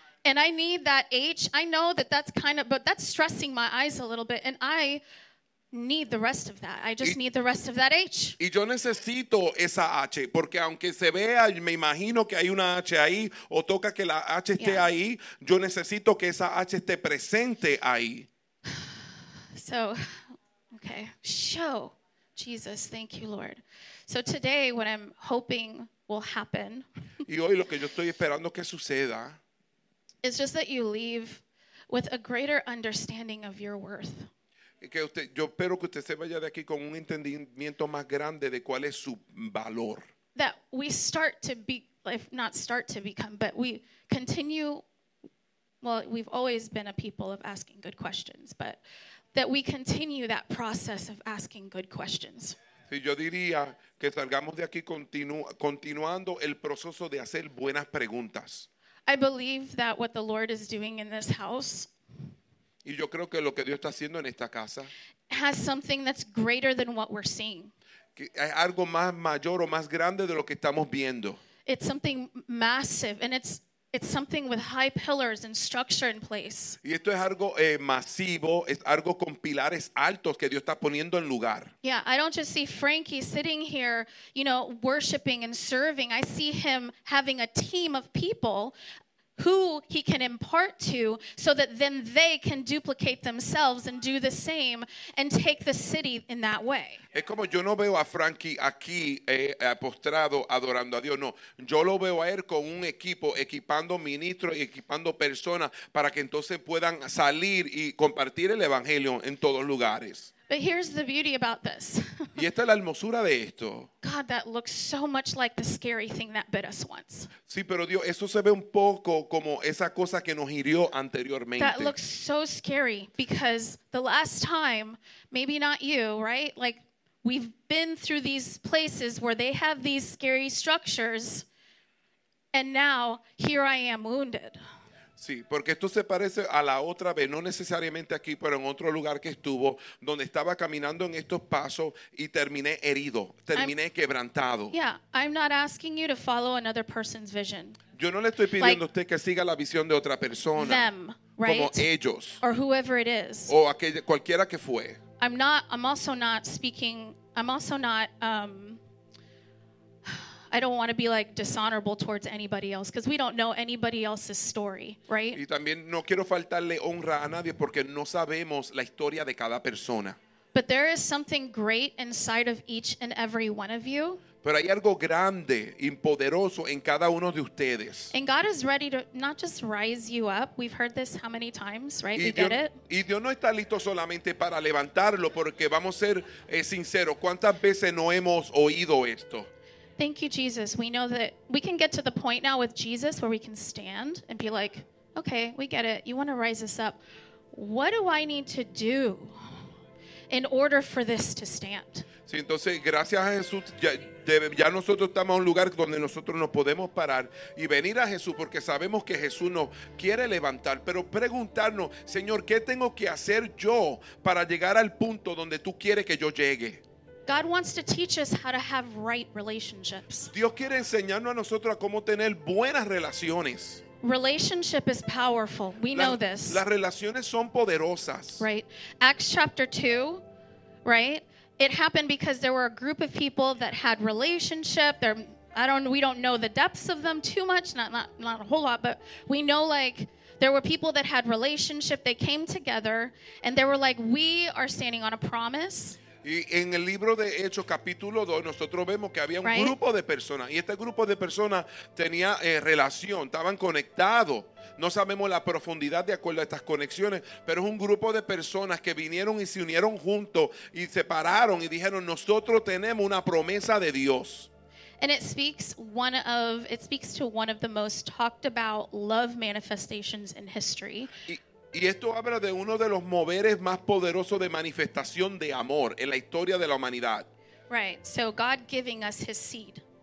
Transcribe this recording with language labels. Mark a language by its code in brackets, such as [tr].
[en] And I need that H. I know that that's kind of, but that's stressing my eyes a little bit. And I need the rest of that. I just need the rest of that H. [es] Y yo necesito esa H, porque aunque se vea, me imagino que hay una H ahí, o toca que la H esté ahí, yo necesito que esa H esté presente ahí. [en] So, okay. Show, Jesus, thank you, Lord. So today, what I'm hoping will happen, [es] y hoy lo que yo estoy esperando que suceda, [en] is just that you leave with a greater understanding of your worth. [es] Que usted, yo espero que usted se vaya de aquí con un entendimiento más grande de cuál es su valor. [en] That we start to be, if not start to become, but we continue, well, we've always been a people of asking good questions, but that we continue that process of asking good questions. [es] Sí, yo diría que salgamos de aquí continuando el proceso de hacer buenas preguntas. [en] I believe that what the Lord is doing in this house, [es] y yo creo que lo que Dios está haciendo en esta casa, [en] has something that's greater than what we're seeing. [es] Es algo más mayor o más grande de lo que estamos viendo. [en] It's something massive, and it's something with high pillars and structure in place. [es] Y esto es algo masivo, es algo con pilares altos que Dios está poniendo en lugar. [en] Yeah, I don't just see Frankie sitting here, you know, worshiping and serving. I see him having a team of people who he can impart to, so that then they can duplicate themselves and do the same and take the city in that way. [es] Es como yo no veo a Frankie aquí postrado adorando a Dios. No, yo lo veo a él con un equipo equipando ministros y equipando personas para que entonces puedan salir y compartir el evangelio en todos lugares. [en] But here's the beauty about this. [es] Y esta es la hermosura de esto. [en] God, that looks so much like the scary thing that bit us once. [es] Sí, pero Dios, eso se ve un poco como esa cosa que nos hirió anteriormente. [en] That looks so scary because the last time, maybe not you, right? Like, we've been through these places where they have these scary structures, and now here I am wounded. [es] Sí, porque esto se parece a la otra vez, no necesariamente aquí, pero en otro lugar que estuvo, donde estaba caminando en estos pasos y terminé herido, terminé quebrantado. [en] Yeah, I'm not asking you to follow another person's vision. [es] Yo no le estoy pidiendo a usted que siga la visión de otra persona. [en] Them, right? [es] Como ellos. [en] Or whoever it is. [es] O aquella, cualquiera que fue. [en] I'm also not I don't want to be like dishonorable towards anybody else because we don't know anybody else's story, right? [es] Y también no quiero faltarle honra a nadie porque no sabemos la historia de cada persona. [en] But there is something great inside of each and every one of you. [es] Pero hay algo grande y poderoso en cada uno de ustedes. [en] And God is ready to not just rise you up. We've heard this how many times, right? We get it. [es] Y Dios no está listo solamente para levantarlo, porque vamos a ser sinceros. ¿Cuántas veces no hemos oído esto? [en] Thank you, Jesus. We know that we can get to the point now with Jesus where we can stand and be like, okay, we get it. You want to rise us up. What do I need to do in order for this to stand? [es] Sí, entonces, gracias a Jesús, ya nosotros estamos en un lugar donde nosotros nos podemos parar y venir a Jesús porque sabemos que Jesús nos quiere levantar, pero preguntarnos, Señor, ¿qué tengo que hacer yo para llegar al punto donde tú quieres que yo llegue? [en] God wants to teach us how to have right relationships. [es] Dios quiere enseñarnos a nosotros a cómo tener buenas relaciones. [en] Relationship is powerful. We know this. [es] Las relaciones son poderosas. [en] Right. Acts chapter 2, right? It happened because there were a group of people that had relationship. We don't know the depths of them too much, not a whole lot, but we know like there were people that had relationship. They came together and they were like, we are standing on a promise. [es] Y en el libro de Hechos capítulo 2 nosotros vemos que había un [en] right. [es] grupo de personas y este grupo de personas tenía relación, estaban conectados. No sabemos la profundidad de acuerdo a estas conexiones, pero es un grupo de personas que vinieron y se unieron juntos y se pararon y dijeron, nosotros tenemos una promesa de Dios. [en] And it speaks to one of the most talked about love manifestations in history. [es] Y esto habla de uno de los moveres más poderosos de manifestación de amor en la historia de la humanidad. [en] Right, so God giving us his seed.